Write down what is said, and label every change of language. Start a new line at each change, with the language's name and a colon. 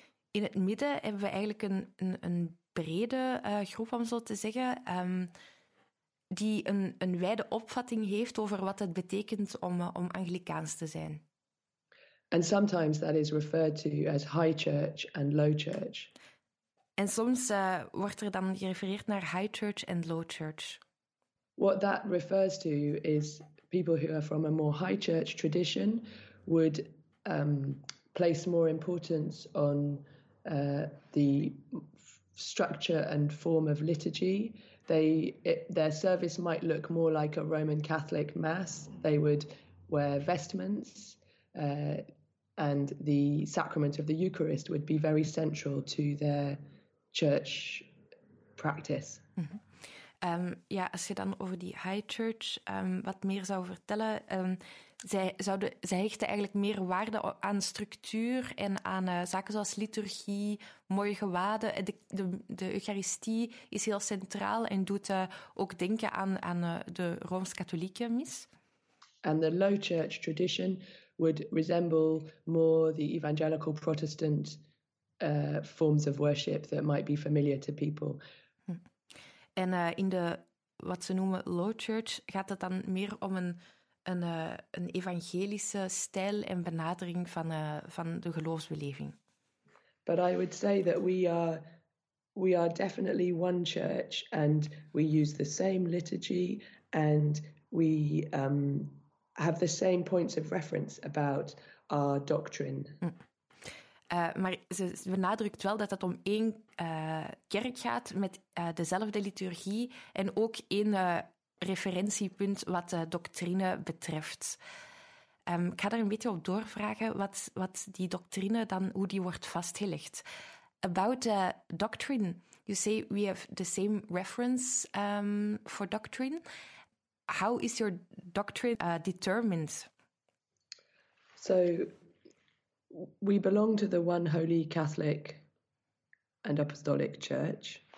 Dutch: In het midden hebben we eigenlijk een brede groep, om zo te zeggen, die een wijde opvatting heeft over wat het betekent om Anglicaans te zijn.
English: And sometimes that is referred to as high church and low church.
Dutch: En soms wordt er dan gerefereerd naar high church en low church.
English: What that refers to is people who are from a more high church tradition would place more importance on the structure and form of liturgy. Their service might look more like a Roman Catholic mass. They would wear vestments. and the sacrament of the Eucharist would be very central to their church practice. Mm-hmm.
Dutch: Ja, als je dan over die high church wat meer zou vertellen, zij hechten eigenlijk meer waarde aan structuur en aan zaken zoals liturgie, mooie gewaden. De Eucharistie is heel centraal en doet ook denken aan de Rooms-Katholieke mis.
English: And the low church tradition would resemble more the evangelical Protestant forms of worship that might be familiar to people.
Dutch: En in de wat ze noemen low church gaat het dan meer om een evangelische stijl en benadering van de geloofsbeleving.
English: But I would say that we are definitely one church and we use the same liturgy and we have the same points of reference about our doctrine.
Dutch: Maar ze benadrukt wel dat het om één kerk gaat met dezelfde liturgie en ook één referentiepunt wat de doctrine betreft. Ik ga daar een beetje op doorvragen wat die doctrine dan, hoe die wordt vastgelegd.
English: About the doctrine, you say we have the same reference for doctrine. How is your doctrine determined? So we belong to the one holy Catholic and apostolic church.